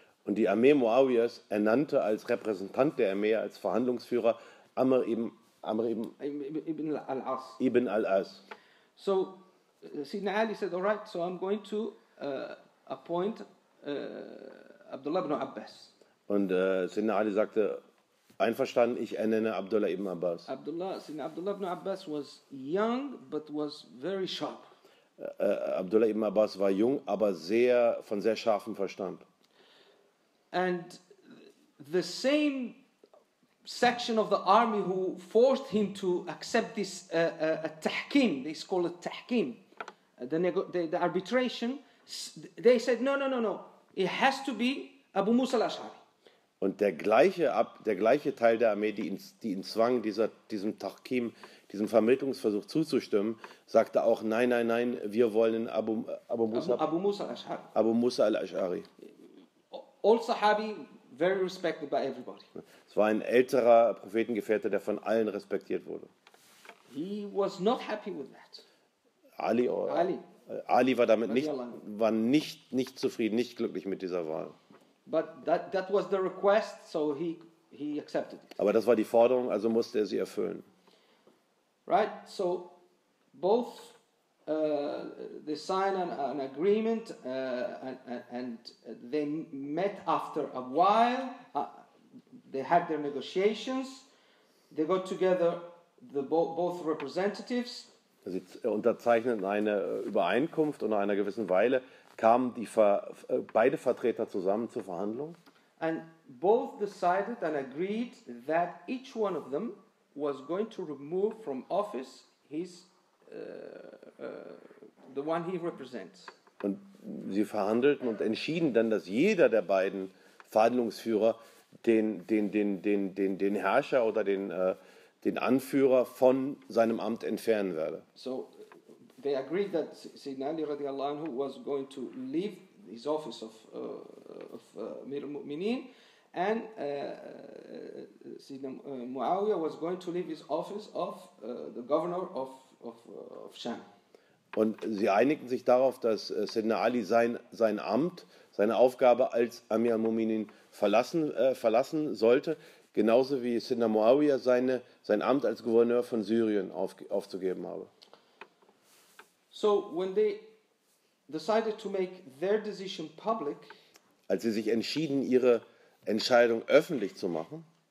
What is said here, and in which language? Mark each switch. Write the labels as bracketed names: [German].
[German] Und die Armee Muawiyas ernannte als Repräsentant der Armee, als Verhandlungsführer Amr ibn al-As. [English] So Sidna Ali said, all right, so I'm going to appoint Abdullah ibn Abbas. [German] Und Sidna Ali sagte, einverstanden, ich ernenne Abdullah ibn Abbas. [English] Abdullah ibn Abbas was young, but was very sharp. [German] Abdullah ibn Abbas war jung, aber von sehr scharfem Verstand. [English] And the same section of the army who forced him to accept this tahkim, they call it tahkim, the arbitration, they said no, it has to be Abu Musa al-Ash'ari. [German] Und der gleiche Teil der Armee, die ihn zwang, diesem Tahkim, diesem Vermittlungsversuch zuzustimmen, sagte auch nein, wir wollen Abu Musa al-Ash'ari. [English] All Sahabi very respected by everybody. [German] Es war ein älterer Prophetengefährte, der von allen respektiert wurde. [English] He was not happy with that. [German] Ali war damit nicht zufrieden, nicht glücklich mit dieser Wahl. [English] But that was the request, so he accepted it. [German] Aber das war die Forderung, also musste er sie erfüllen. [English] Right, so both they sign an agreement and they met after a while. They had their negotiations. They got together both representatives. [German] Sie unterzeichneten eine Übereinkunft und nach einer gewissen Weile kamen beide Vertreter zusammen zur Verhandlung. [English] And both decided and agreed that each one of them was going to remove from office the one he represents. [German] Und sie verhandelten und entschieden dann, dass jeder der beiden Verhandlungsführer den Herrscher oder den Anführer von seinem Amt entfernen werde. [English] So they agreed that Sayyidina Ali radiallahu anhu was going to leave his office of Amir al-Mu'minin and Sayyidina Muawiyah was going to leave his office of the governor of Sham. [German] Und sie einigten sich darauf, dass Sayyidina Ali sein Amt, seine Aufgabe als Amir al-Mu'minin verlassen sollte, genauso wie Sayyidina Muawiyah sein Amt als Gouverneur von Syrien aufzugeben habe. [English] So when they decided to make their decision public, [German] als sie sich entschieden, ihre Entscheidung öffentlich zu machen,